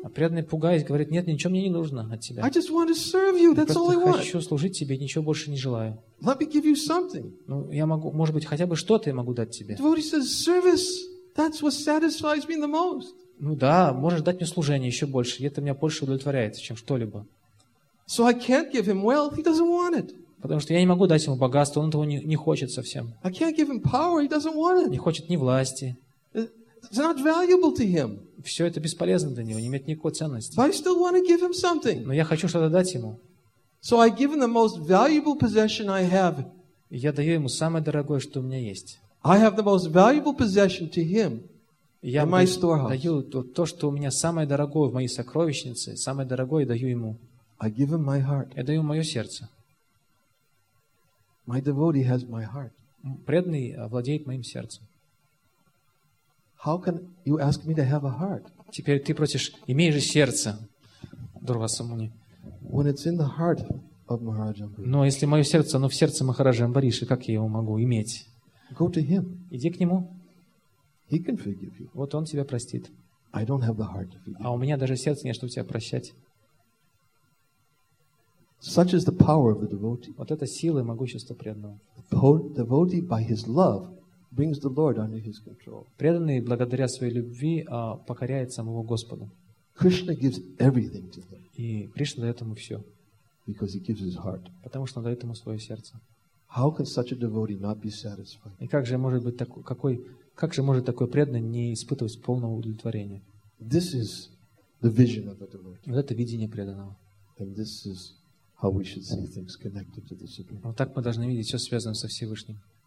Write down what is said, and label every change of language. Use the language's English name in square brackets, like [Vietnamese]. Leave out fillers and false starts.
[Russian] А преданный пугаясь говорит, нет, ничего мне не нужно от тебя. [English] I just want to serve you. That's all I want. [Russian] Я хочу служить тебе, ничего больше не желаю. [English] Let me give you something. [Russian] Ну я могу, может быть, хотя бы что-то я могу дать тебе. [English] Devotee says, service. That's what satisfies me the most. [Russian] Ну да, можешь дать мне служение еще больше, это меня больше удовлетворяет, чем что-либо. [English] So I can't give him wealth. He doesn't want it. [Russian] Потому что я не могу дать ему богатство, он этого не хочет совсем. [English] I can't give him power, he doesn't want it. [Russian] Не хочет ни власти. [English] It's not valuable to him. [Russian] Все это бесполезно для него, не имеет никакой ценности. [English] But I still want to give him something. [Russian] Но я хочу что-то дать ему. [English] So I give him the most valuable possession I have. [Russian] Я даю ему самое дорогое, что у меня есть. [English] I have the most valuable possession to him in my storehouse. [Russian] Я даю то, что у меня самое дорогое в моей сокровищнице, самое дорогое даю ему. [English] I give him my heart. [Russian] Я даю ему мое сердце. [English] My devotee has my heart. [Russian] Преданный владеет моим сердцем. [English] How can you ask me to have a heart? [Russian] Теперь ты просишь, имей же сердце, Дурвасамуни. [English] When it's in the heart of Махараджамбари. [Russian] Но если мое сердце, оно в сердце Махараджамбариши, как я его могу иметь? [English] Go to him. [Russian] Иди к нему. [English] He can forgive you. [Russian] Вот он тебя простит. [English] I don't have the heart to forgive. [Russian] А у меня даже сердца нет, чтобы тебя прощать. [English] Such is the power of the devotee. [Russian] Вот это сила и могущество преданного. [English] Devotee by his love brings the Lord under his control. [Russian] Преданный благодаря своей любви покоряет самого Господа. [English] Krishna gives everything to him. [Russian] И Кришна дает ему все. [English] Because he gives his heart. [Russian] Потому что он дает ему свое сердце. [English] How can such a devotee not be satisfied? [Russian] И как же может такой преданный не испытывать полного удовлетворения? [English] This is the vision of a devotee. [Russian] Вот это видение преданного. [English] And this is how we should see things connected to the Supreme. [Russian] Вот так мы должны видеть все связанное со Всевышним.